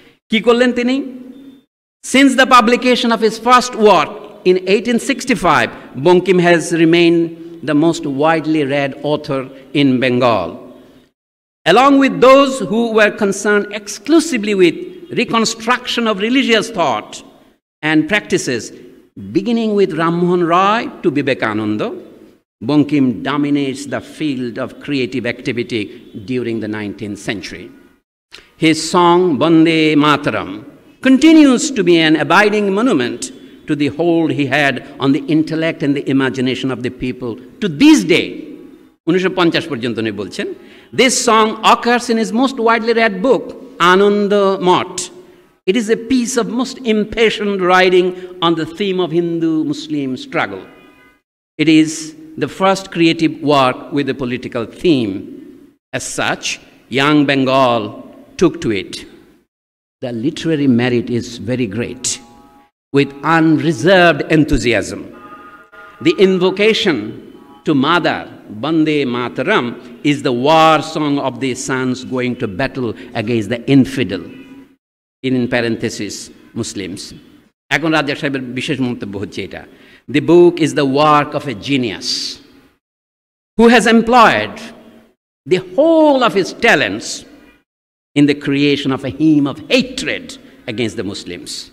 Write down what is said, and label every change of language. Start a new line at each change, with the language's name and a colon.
Bangla: কী করলেন তিনি,
English: Since the publication of his first work in 1865 Bankim has remain the most widely read author in Bengal along with those who were concern exclusively with reconstruction of religious thought and practices beginning with Rammohan Roy to Vivekananda Bankim dominates the field of creative activity during the 19th century। His song Bande Mataram continues to be an abiding monument to the hold he had on the intellect and the imagination of the people to this day.
Bangla: 1950 porjonto ni bolchen.
English: This song occurs in his most widely read book Anandamath. It is a piece of most impassioned writing on the theme of Hindu-Muslim struggle. It is the first creative work with a political theme. As such, Young Bengal took to it. The literary merit is very great. with unreserved enthusiasm. The invocation to Mother, Bande Mataram, is the war song of the sons going to battle against the infidel, in parenthesis, Muslims.
Bangla: এখন রাজ্জাক সাহেবের বিশেষ মন্তব্য হচ্ছে এটা,
English: The book is the work of a genius who has employed the whole of his talents in the creation of a hymn of hatred against the Muslims.